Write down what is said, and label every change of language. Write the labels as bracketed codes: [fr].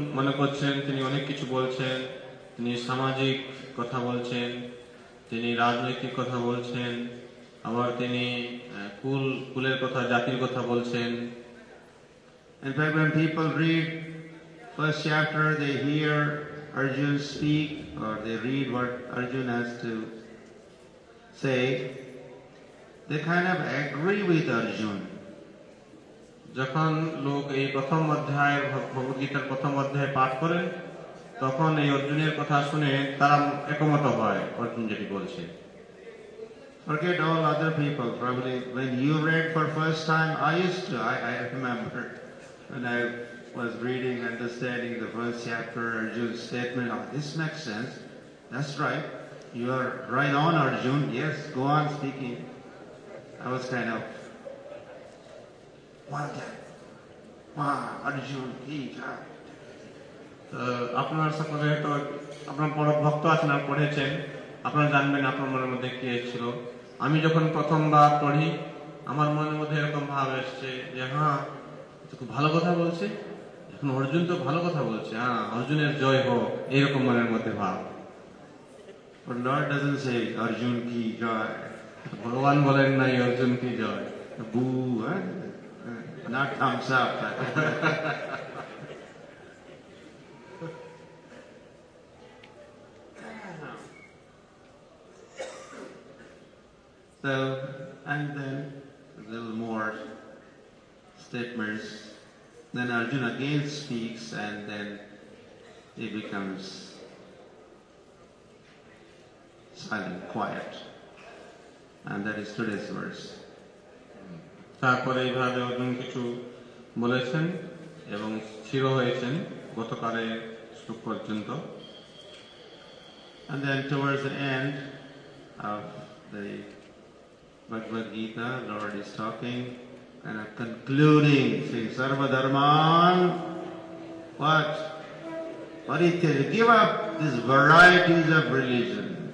[bn] মনে করছেন তিনি অনেক কিছু বলছেন, তিনি সামাজিক কথা বলছেন, তিনি রাজনৈতিক কথা বলছেন, আবার তিনি কুল কুলের কথা জাতির কথা বলছেন। [en] In fact, when people read first chapter, they hear Arjun speak or they read what Arjun has to say, they kind of agree with Arjun. [bn] যখন লোক এই প্রথম অধ্যায়ের ভগবদ গীতার প্রথম অধ্যায় পাঠ করেন তখন এই অর্জুনের কথা শুনে তারা একমত হয় অর্জুন যেটি বলছে। [en] Forget all other people. Probably when you read for first time, I remember when I was reading, understanding the first chapter, Arjun's statement, oh, this makes sense. That's right. You are right on, Arjun. Yes, go on speaking. I was kind of, what that? Wow, Arjun, he got [bn] আপনার সকলে তো আপনার বড় ভক্ত আছেন, আপনি পড়েছেন, আপনারা জানবেন আপনার মনের মধ্যে কি এসেছিল। আমি যখন প্রথমবার পড়ি আমার মনের মধ্যে এরকম ভাব এসছে যে হ্যাঁ খুব ভালো কথা বলছে, এখন অর্জুন তো ভালো কথা বলছে, হ্যাঁ অর্জুনের জয় হোক, এইরকম মনের মধ্যে ভাব। [en] But Lord doesn't say [hi] Arjun ki jai. [bn] ভগবান বলেন নাই অর্জুন কি জয়, [en] বু not thumbs up. So, and then a little more statements. Then Arjuna again speaks, and then he becomes silent, quiet. And that is today's verse. [bn] তারপরে এইভাবে অর্জুন কিছু বলেছেন এবং স্থির হয়েছেন গতকালের শ্লোক পর্যন্ত। [en] And then towards the end of the Bhagavad Gita, Lord is talking and concluding, saying, Sarva Dharman, what? Parityaja, give up these varieties of religion.